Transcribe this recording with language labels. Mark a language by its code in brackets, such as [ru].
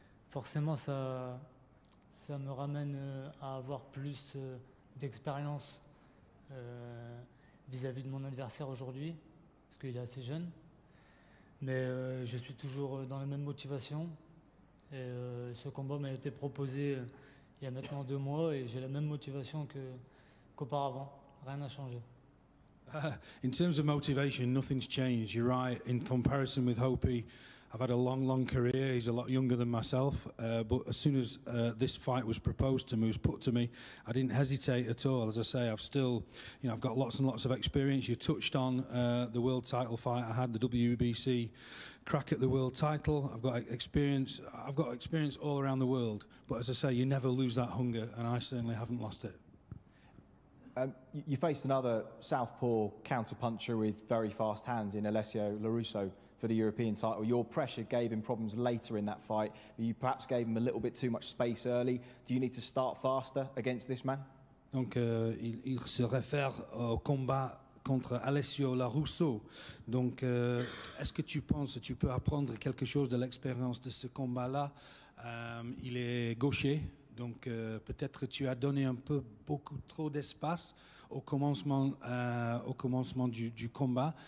[fr] Forcément, ça me ramène à avoir plus d'expérience vis-à-vis de mon adversaire aujourd'hui, parce qu'il est assez jeune. Mais je suis toujours dans la même motivation. Et, ce combat m'a été proposé il y a maintenant 2 mois et j'ai la même motivation qu'auparavant. Rien n'a changé. [en] In terms of motivation, nothing's changed. You're right. In comparison with Hopi, I've had a long, long career. He's a lot younger than myself. But as soon as this fight was proposed to me, was put to me, I didn't hesitate at all. As I say, I've still, you know, I've got lots and lots of experience. You touched on the world title fight. I had the WBC crack at the world title. I've got experience. I've got experience all around the world. But as I say, you never lose that hunger, and I certainly haven't lost it. You faced another southpaw counterpuncher with very fast hands in Alessio LaRusso for the European title. Your pressure gave him problems later in that fight, but you perhaps gave him a little bit too much space early. Do you need to start faster against this man? [fr] Donc, il se réfère au combat contre Alessio LaRusso. Donc, est-ce que tu penses que tu peux apprendre quelque chose de l'expérience de ce combat-là? Il est gaucher. Donc, peut-être que tu as donné un peu beaucoup trop d'espace au commencement du combat.